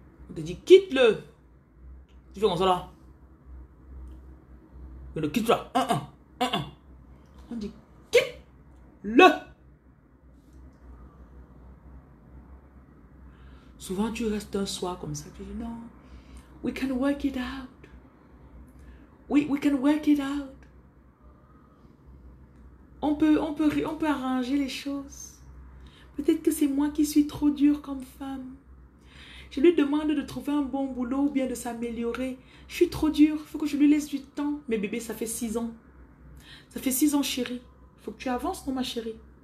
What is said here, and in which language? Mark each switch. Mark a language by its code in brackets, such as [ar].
[fr] On te dit, quitte-le. Tu fais comme ça là. Je le quitte là. On dit, quitte-le. Souvent, tu restes un soir comme ça. Tu dis, non, [en] we can work it out. We can work it out. [fr] On peut arranger les choses. Peut-être que c'est moi qui suis trop dure comme femme. Je lui demande de trouver un bon boulot ou bien de s'améliorer. Je suis trop dure. Il faut que je lui laisse du temps. Mais bébé, ça fait 6 ans. Ça fait 6 ans, chérie. Il faut que tu avances, non, ma chérie?